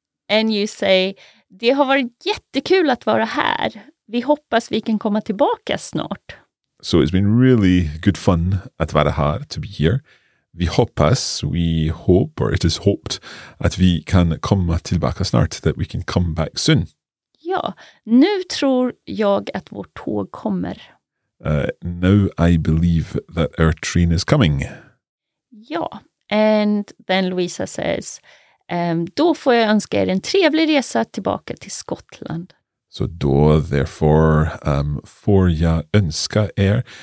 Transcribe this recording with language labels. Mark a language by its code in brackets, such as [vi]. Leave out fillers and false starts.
[en] And you say, [sv] det har varit jättekul att vara här. Vi hoppas vi kan komma tillbaka snart. [en] So it's been really good fun [sv] att vara här, [en] to be here. [sv] Vi hoppas, [en] we hope, or it is hoped, [sv] att vi kan komma tillbaka snart, [en] that we can come back soon. [sv] Ja, nu tror jag att vårt tåg kommer. [en] Now I believe that our train is coming. Ja, and then Lovisa says... [sv] då får jag önska er en trevlig resa tillbaka till Skottland. Så då, [en] therefore, [sv] får jag önska er.